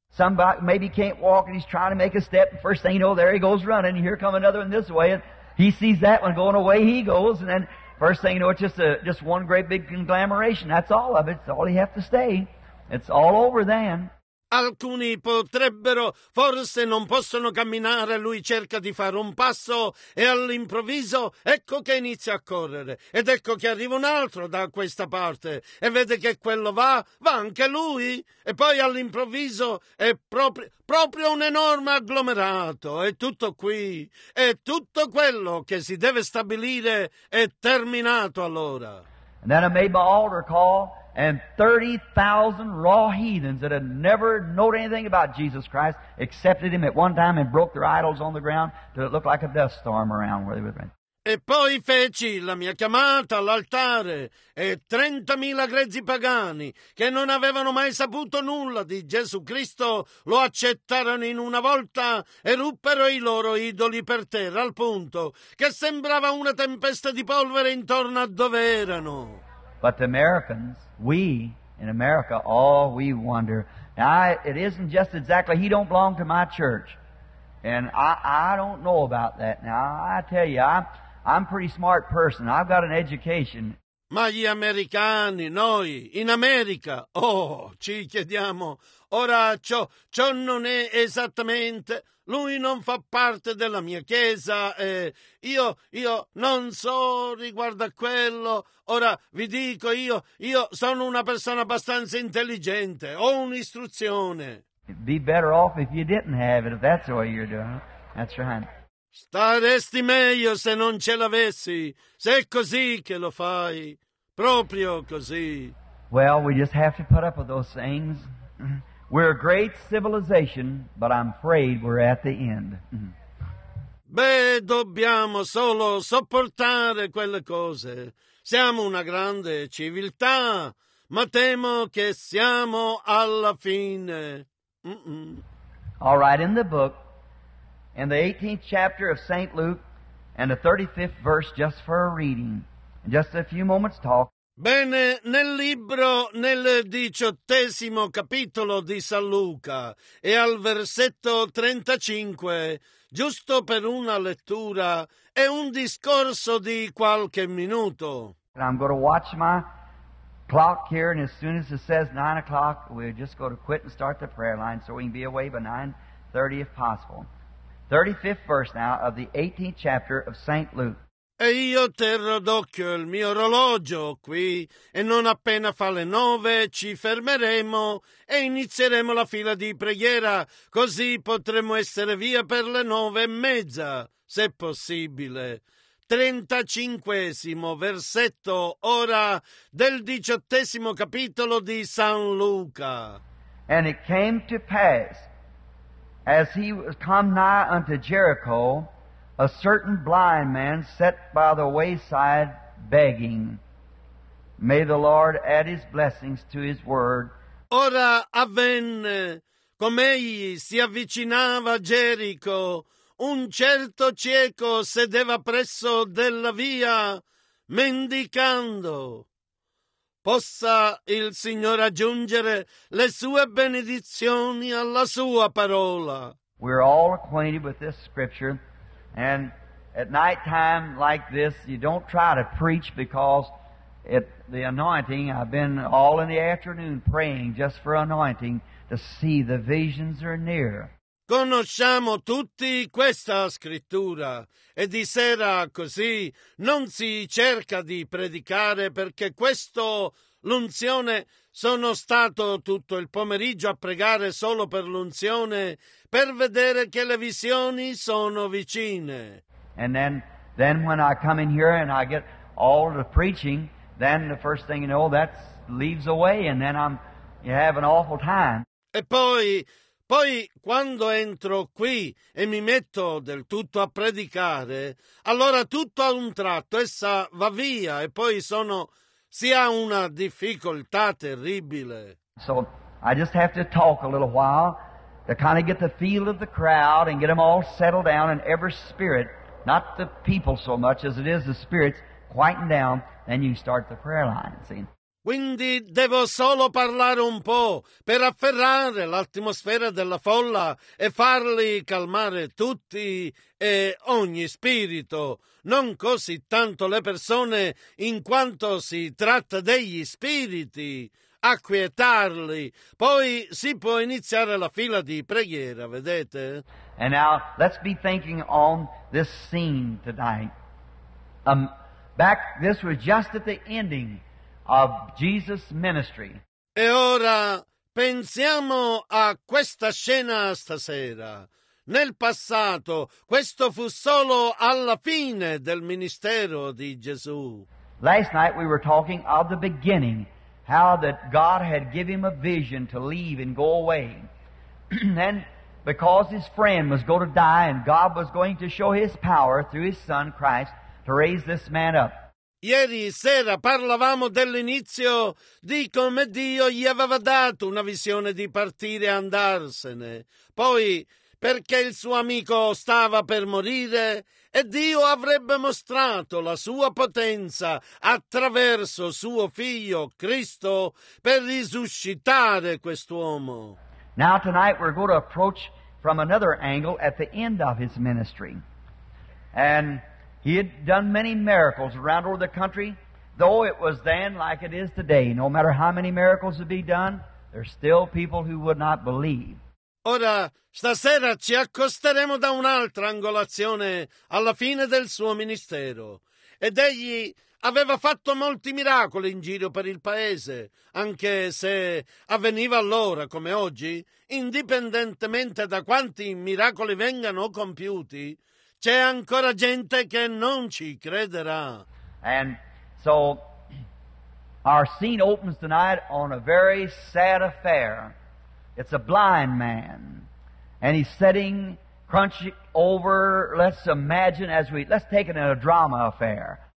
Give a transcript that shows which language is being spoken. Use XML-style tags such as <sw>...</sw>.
<en>Somebody maybe can't walk and he's trying to make a step. First thing you know, there he goes running. Here come another one this way. And he sees that one going away, he goes. And then first thing you know, it's just one great big conglomeration. That's all of it. It's all he have to stay. It's all over then.</en> <it>Alcuni potrebbero, forse non possono camminare, lui cerca di fare un passo e all'improvviso ecco che inizia a correre ed ecco che arriva un altro da questa parte e vede che quello va anche lui e poi all'improvviso è proprio un enorme agglomerato, è tutto qui e tutto quello che si deve stabilire è terminato allora.</it> <en>And then I made my altar call. And 30,000 raw heathens that had never known anything about Jesus Christ accepted him at one time and broke their idols on the ground till it looked like a dust storm around where they were.</en> <it>E poi feci la mia chiamata all'altare e 30.000 grezzi pagani che non avevano mai saputo nulla di Gesù Cristo lo accettarono in una volta e ruppero i loro idoli per terra al punto che sembrava una tempesta di polvere intorno a dove erano.</it> <en>But the Americans, we in America, all we wonder. Now, it isn't just exactly, he don't belong to my church. And I don't know about that. Now, I tell you, I'm a pretty smart person. I've got an education.</en> <it>Ma gli americani, noi, in America, oh, ci chiediamo. Ora, ciò non è esattamente. Lui non fa parte della mia chiesa. Io non so riguardo a quello. Ora, vi dico, io sono una persona abbastanza intelligente. Ho un'istruzione.</it> <en>Be better off if you didn't have it, if that's the way you're doing it. That's right.</en> <it>Staresti meglio se non ce l'avessi, se è così che lo fai, proprio così.</it> <en>Well, we just have to put up with those things. We're a great civilization, but I'm afraid we're at the end.</en> <it>Beh, dobbiamo solo sopportare quelle cose. Siamo una grande civiltà, ma temo che siamo alla fine.</it> <en>All right, in the book, in the 18th chapter of St. Luke, and the 35th verse, just for a reading, just a few moments' talk.</en> <it>Bene, nel libro, nel 18° capitolo di San Luca, e al versetto 35, giusto per una lettura, e un discorso di qualche minuto.</it> <en>And I'm going to watch my clock here, and as soon as it says 9 o'clock, we're just going to quit and start the prayer line, so we can be away by 9:30 if possible. 35th verse now of the 18th chapter of St. Luke.</en> <it>E io terrò d'occhio il mio orologio qui, e non appena fa le 9 ci fermeremo e inizieremo la fila di preghiera, così potremo essere via per le 9:30, se possibile. 35° versetto ora del 18° capitolo di San Luca.</it> <en>And it came to pass, as he was come nigh unto Jericho, a certain blind man sat by the wayside begging. May the Lord add his blessings to his word.</en> <it>Ora avvenne, com'egli si avvicinava a Gerico, un certo cieco sedeva presso della via, mendicando. Possa il Signore aggiungere le sue benedizioni alla sua parola.</it> <en>We're all acquainted with this scripture, and at night time like this, you don't try to preach because at the anointing, I've been all in the afternoon praying just for anointing to see the visions are near.</en> <it>Conosciamo tutti questa scrittura, e di sera così non si cerca di predicare, perché questo, l'unzione, sono stato tutto il pomeriggio a pregare solo per l'unzione, per vedere che le visioni sono vicine.</it> <en>And then when I come in here and I get all the preaching, then the first thing you know, that leaves away, and then I'm you have an awful time.</en> <it>E poi, quando entro qui e mi metto del tutto a predicare, allora tutto a un tratto, essa va via, e poi si ha una difficoltà terribile.</it> <en>So, I just have to talk a little while to kind of get the feel of the crowd and get them all settled down in every spirit, not the people so much as it is the spirits, quieten down, then you start the prayer line, see?</en> <it>Quindi devo solo parlare un po' per afferrare l'atmosfera della folla e farli calmare tutti e ogni spirito, non così tanto le persone in quanto si tratta degli spiriti, acquietarli. Poi si può iniziare la fila di preghiera, vedete?</it> <en>And now, let's be thinking on this scene tonight. Back, this was just at the ending of Jesus' ministry.</en> <it>E ora pensiamo a questa scena stasera. Nel passato, questo fu solo alla fine del ministero di Gesù.</it> <en>Last night we were talking of the beginning, how that God had given him a vision to leave and go away. And because his friend was going to die and God was going to show his power through his son Christ to raise this man up.</en> <it>Ieri sera parlavamo dell'inizio di come Dio gli aveva dato una visione di partire e andarsene. Poi, perché il suo amico stava per morire e Dio avrebbe mostrato la sua potenza attraverso suo figlio Cristo per risuscitare quest'uomo.</it> <en>Now tonight we're going to approach from another angle at the end of his ministry. And he had done many miracles around over the country, though it was then like it is today, no matter how many miracles would be done, there's still people who would not believe.</en> <it>Ora, stasera ci accosteremo da un'altra angolazione alla fine del suo ministero. Ed egli aveva fatto molti miracoli in giro per il paese, anche se avveniva allora come oggi, indipendentemente da quanti miracoli vengano compiuti, c'è ancora gente che non ci crederà.</it> <en>And so our scene opens tonight on a very sad affair. It's a blind man, and he's sitting crunching over, let's imagine, let's take it in a drama affair.</en>